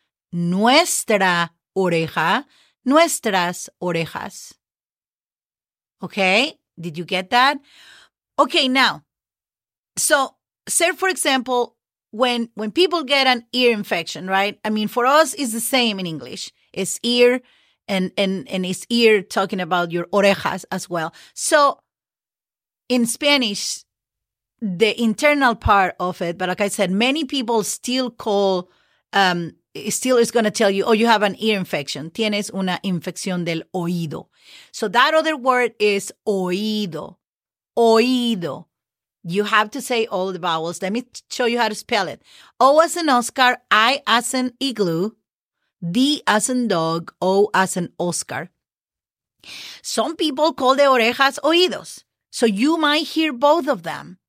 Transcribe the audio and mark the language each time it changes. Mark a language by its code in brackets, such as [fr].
[es] Nuestra oreja, nuestras orejas. [en] Okay, did you get that? Okay, now, so say for example, when people get an ear infection, right? I mean, for us, it's the same in English. It's ear and it's ear talking about your orejas as well. So in Spanish, the internal part of it, but like I said, many people still call, still is going to tell you, oh, you have an ear infection. [es] Tienes una infección del oído. [en] So that other word is oído. Oído. You have to say all the vowels. Let me show you how to spell it. O as in Oscar, I as in igloo, D as in dog, O as in Oscar. Some people call the orejas oídos. So you might hear both of them.